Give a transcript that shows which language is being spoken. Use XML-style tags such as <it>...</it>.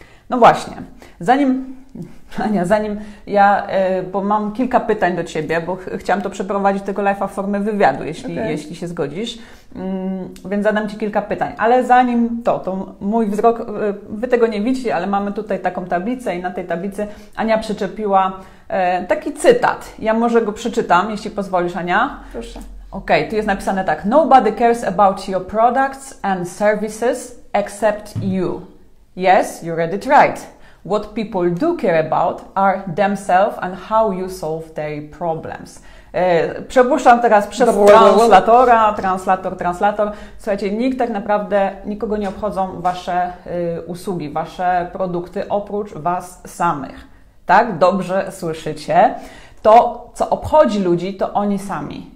<pl>No właśnie, zanim ja, bo mam kilka pytań do Ciebie, bo chciałam to przeprowadzić tego live'a w formie wywiadu, jeśli się zgodzisz, więc zadam Ci kilka pytań. Ale zanim to mój wzrok, Wy tego nie widzicie, ale mamy tutaj taką tablicę i na tej tablicy Ania przyczepiła taki cytat. Ja może go przeczytam, jeśli pozwolisz, Ania. Proszę. Okej, okay, tu jest napisane tak.</pl> <en>Nobody cares about your products and services except you. Yes, you read it right. What people do care about are themselves and how you solve their problems.</en> <pl>Przepuszczam teraz przez translatora, translator. Słuchajcie, nikt tak naprawdę, nikogo nie obchodzą wasze usługi, wasze produkty oprócz was samych. Tak? Dobrze słyszycie. To, co obchodzi ludzi, to oni sami.</pl>